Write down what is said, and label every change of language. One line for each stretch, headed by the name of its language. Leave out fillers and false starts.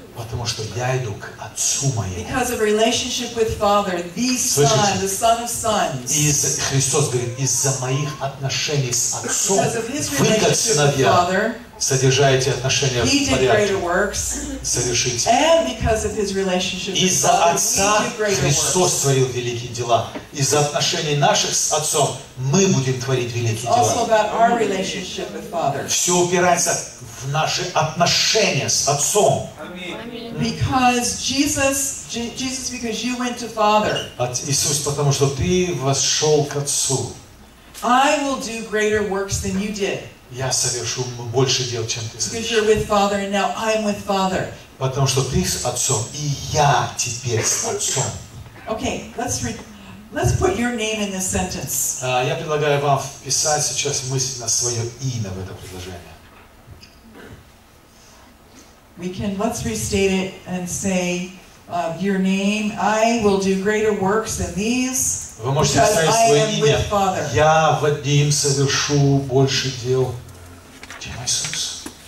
Russian: Потому что я иду к Отцу моему.
English: Because of relationship with Father, the Son, the Son of Sons.
Russian: И Христос говорит, из-за моих отношений с Отцом, вы, как сыновья, содержаете отношения в порядке, совершите.
English: And because of his relationship with Father, we do greater works.
Russian: Из-за Отца Христос творил великие дела. Из-за отношений наших с Отцом мы будем творить великие дела.
English: It's also about our relationship with Father.
Russian: Все упирается в наши отношения с Отцом.
English: Because Jesus, because you went to Father.
Russian: Иисус, потому что ты вошел к Отцу.
English: I will do greater works than you did.
Russian: Я совершу больше дел, чем ты совершил.
English: Because you're with Father, and now I'm with Father.
Russian: Потому что ты с Отцом, и я теперь с Отцом.
English: Okay, let's put your name in this sentence.
Russian: Я предлагаю вам вписать сейчас мысленно свое имя в это предложение.
English: We can, let's restate it and say your name. I will do greater works than these.
Russian: Вы можете сказать свое имя. Я, Вадим, совершу больше дел, чем Иисус.